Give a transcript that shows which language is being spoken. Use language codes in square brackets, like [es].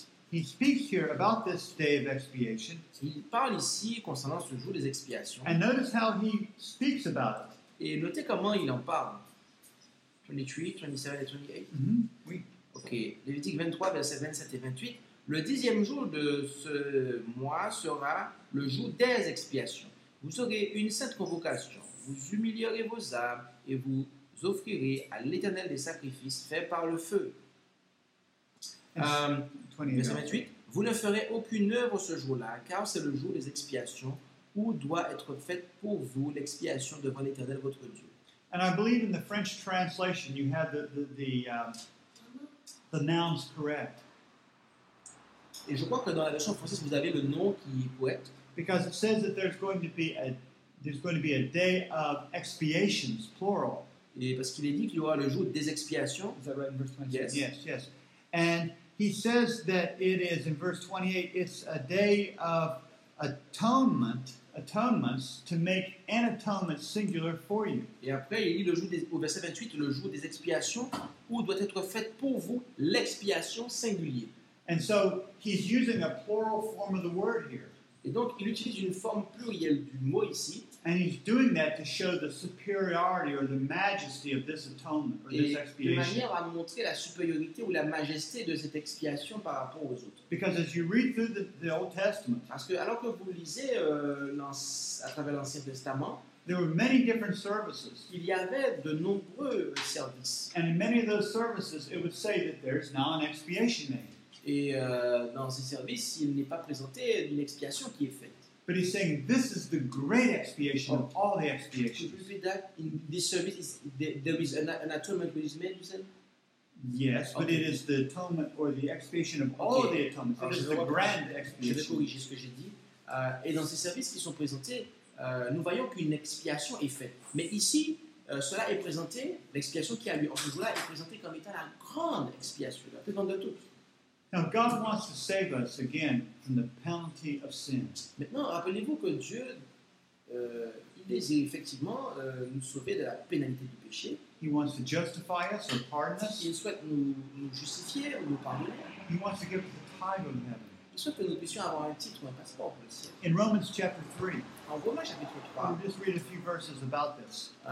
[en] He speaks here about this day of expiation. [fr] Il parle ici concernant ce jour des expiations. [en] And notice how he speaks about it. [fr] Et notez comment il en parle. 23, 27 et 28. Mm-hmm. Oui. Ok. Lévitique 23, versets 27 et 28. Le dixième jour de ce mois sera le jour des expiations. Vous aurez une sainte convocation. Vous humilierez vos âmes et vous offrirez à l'Éternel des sacrifices faits par le feu. Verset 28. Vous ne ferez aucune œuvre ce jour-là, car c'est le jour des expiations où doit être faite pour vous l'expiation devant l'Éternel votre Dieu. [en] And I believe in the French translation you have the nouns correct. [fr] Et je crois que dans la version française vous avez le nom qui est correct. [en] Because it says that there's going to be a day of expiations, plural. [fr] Et parce qu'il est dit qu'il y aura le jour des expiations. [en] Is that right in verse 28? Yes. Yes, yes. And he says that it is, in verse 28, it's a day of atonements to make an atonement singular for you. [fr] Et après, il dit au verset 28, le jour des expiations, où doit être faite pour vous l'expiation singulière. [en] And so, he's using a plural form of the word here. [fr] Et donc, il utilise une forme plurielle du mot ici. [en] And he's doing that to show the superiority or the majesty of this atonement or this expiation. [fr] Et de manière à montrer la supériorité ou la majesté de cette expiation par rapport aux autres. [en] Because as you read through the Old Testament, [fr] parce que alors que vous lisez à travers l'Ancien Testament, [en] there were many different services. [fr] Il y avait de nombreux services. [en] And in many of those services, it would say that there's now an expiation made. [fr] Et dans ces services, il n'est pas présenté une expiation qui est faite. [en] But he's saying this is the great expiation of all the expiations. Is that in this service there is an atonement which is made, you said? Yes, but okay. It is the atonement or the expiation of all okay. The atonements. It is the grand expiation. [fr] Je vais corriger ce que j'ai dit. Et dans ces services qui sont présentés, nous voyons qu'une expiation est faite. Mais ici, cela est présenté, l'expiation qui a lieu en ce jour-là est présentée comme étant la grande expiation, la plus grande de toutes. [en] Now God wants to save us again from the penalty of sin. [fr] Maintenant, rappelez-vous que Dieu il désire effectivement nous sauver de la pénalité du péché. [en] He wants to justify us or pardon us. [fr] Il souhaite nous justifier ou nous pardonner. [en] He wants to give us a title in heaven. [fr] Il souhaite que nous puissions avoir un titre ou un passeport pour le ciel. [en] In Romans chapter 3. [fr] En Romains chapitre 3. [en] We'll just read a few verses about this.